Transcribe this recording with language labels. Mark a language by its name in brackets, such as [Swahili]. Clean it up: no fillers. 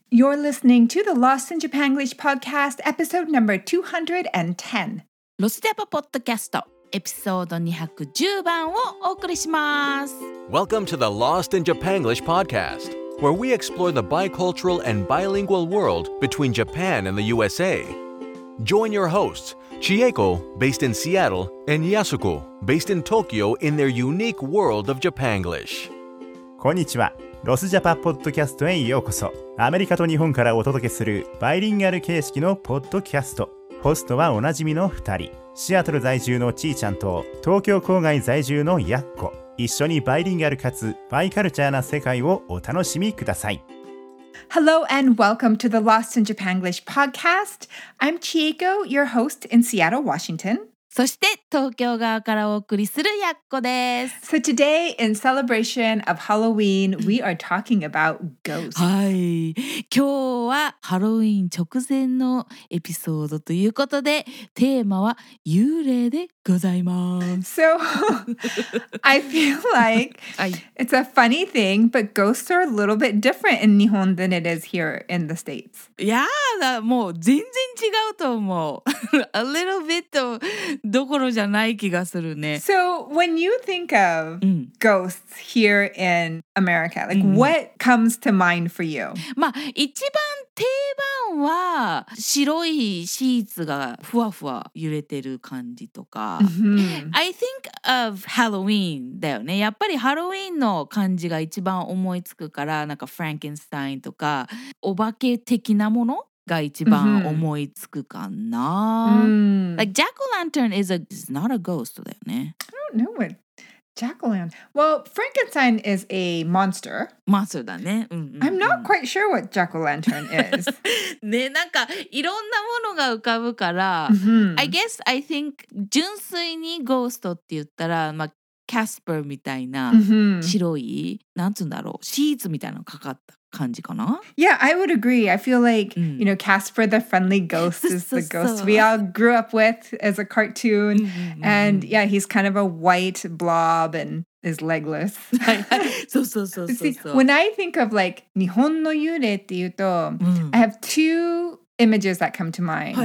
[English] You're listening to the Lost in Japanglish podcast, episode number 210. [Japanese] ロスジャパポッドキャストエピソード210番をお送りします。 [English] Welcome to the Lost in Japanglish podcast, where we explore the bicultural and bilingual world between Japan and the USA. Join your hosts, Chieko, based in Seattle, and Yasuko, based in Tokyo, in their unique world of Japanglish. [Japanese] こんにちは。ロスジャパポッドキャストへようこそ。アメリカと日本からお届けするバイリンガル形式のポッドキャスト。ホストはおなじみの2人、シアトル在住のちーちゃんと東京郊外在住のやっこ。一緒にバイリンガルかつバイカルチャーな世界をお楽しみください。 [English] Hello and welcome to the Lost in Japanglish podcast. I'm Chieko, your host in Seattle, Washington. [Japanese] そして東京側からお送りするやっこです。 [English] So today, in celebration of Halloween, we are talking about ghosts. [Japanese] はい。今日はハロウィン直前のエピソードということで、テーマは幽霊でございます。 [English] So, I feel like it's a funny thing, but ghosts are a little bit different in 日本 than it is here in the States. [Japanese] いやだ、もう全然違うと思う。 [English] A little bit of... [Japanese] どころじゃない気がするね。 [English] So, when you think of ghosts here in America, like what comes to mind for you? [Japanese] まあ、一番定番は白いシーツがふわふわ揺れてる感じとか。 Mm-hmm. [English] I think of Halloween [Japanese] だよね。やっぱりハロウィンの感じが一番思いつくから、なんかフランケンスタインとか、お化け的なものが一番思いつくかな。 Mm-hmm. [English] Like jack-o'-lantern is not a ghost, [Japanese] だよね。 [English] I don't know what jack-o'-lantern. Well, Frankenstein is a monster. [Japanese] Monster だね。 [English] I'm not quite sure what jack-o'-lantern is. [Japanese] ね、なんかいろんなものが浮かぶから。 Mm-hmm. [English] I guess I think [Japanese] 純粋にゴーストって言ったら、まあキャスパーみたいな白い、 mm-hmm. なんつうんだろう、シーツみたいなのかかった感じかな。 [English] Yeah, I would agree. I feel like, you know, Casper the Friendly Ghost is the ghost we all grew up with as a cartoon. And yeah, he's kind of a white blob and is legless. [Japanese] そう [English] See, when I think of like [Japanese] 日本の幽霊っていうと、 [English] I have two images that come to mind.